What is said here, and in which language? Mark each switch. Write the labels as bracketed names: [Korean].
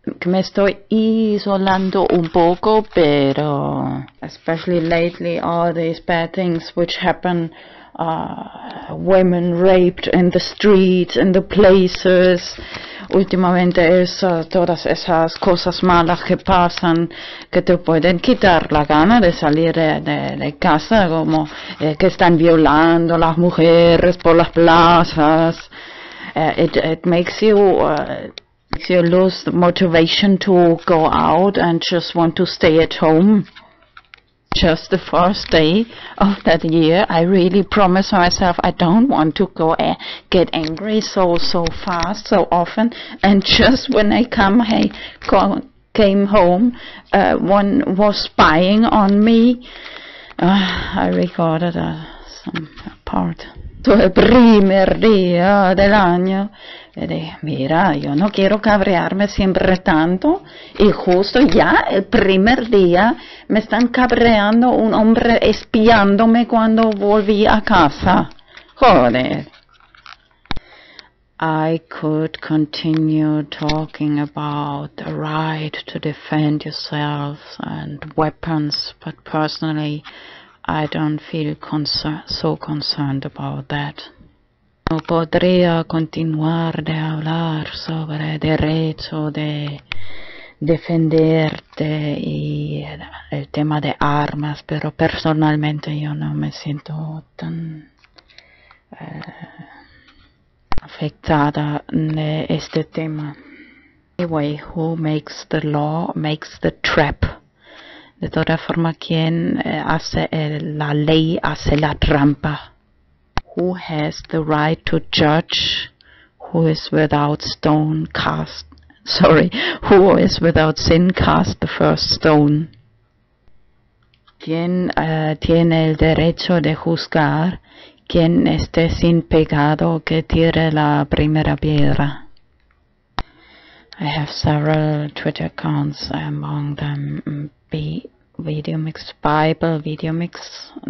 [Spanish] que me estoy isolando un poco, pero [English] especially lately, all these bad things which happen, women raped in the streets, in the places. [Spanish] Últimamente es todas esas cosas malas que pasan que te pueden quitar la gana de salir de casa, como que están violando las mujeres por las plazas. [English] It makes you you lose the motivation to go out and just want to stay at home. Just the first day of that year, I really promise myself I don't want to go get angry so fast, so often. And just when I came home, one was spying on me. I recorded some part. [Spanish] So el primer día del año. Y dije, mira, yo no quiero cabrearme siempre tanto. Y justo ya el primer día me están cabreando un hombre espiándome cuando volví a casa. Joder. [English] I could continue talking about the right to defend yourself and weapons, but personally, I don't feel so concerned about that. [Spanish] No podría continuar de hablar sobre derecho de defenderte y el tema de armas, pero personalmente yo no me siento tan afectada de este tema. [English] Anyway, who makes the law makes the trap. [Spanish] De toda forma, quien hace la ley hace la trampa. [English] Who has the right to judge who is without stone cast, sorry, who is without sin cast the first stone? [Spanish] ¿Quién tiene el derecho de juzgar quien esté sin pecado que tire la primera piedra? [English] I have several Twitter accounts, among them Videomix Bible, Videomix.